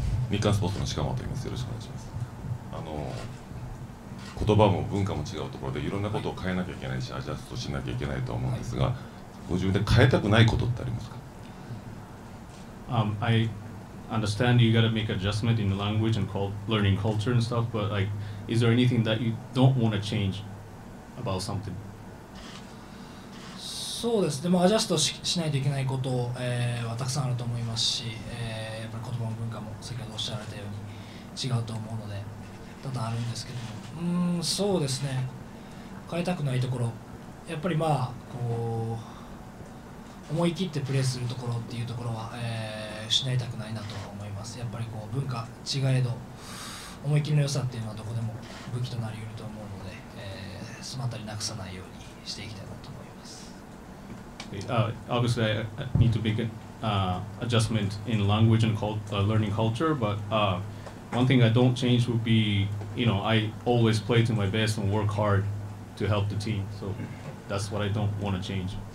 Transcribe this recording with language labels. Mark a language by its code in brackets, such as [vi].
[ja] 日刊スポーツの鹿本と言います。よろしくお願いします。言葉も文化も違うところでいろんなことを変えなきゃいけないし、はい、アジャストしなきゃいけないと思うんですが、はい、ご自分で変えたくないことってありますか。 [en] I understand you gotta make adjustment in the language and learning culture and stuff, but like, is there anything that you don't want to change about something? [ja] そうですね、まあ、アジャスト しないといけないこと、はたくさんあると思いますし、やっぱり言葉も文化も先ほどおっしゃられたように違うと思うので多々あるんですけども、そうですね、変えたくないところ、やっぱりまあこう思い切ってプレーするところっていうところは、失いたくないなと思います。やっぱりこう文化違えど、思い切りの良さっていうのはどこでも武器となり得ると思うので、そのあたりなくさないようにしていきたいなと思います。 [en] Obviously, I need to make an adjustment in language and learning culture, but one thing I don't change would be, you know, I always play to my best and work hard to help the team. So that's what I don't want to change.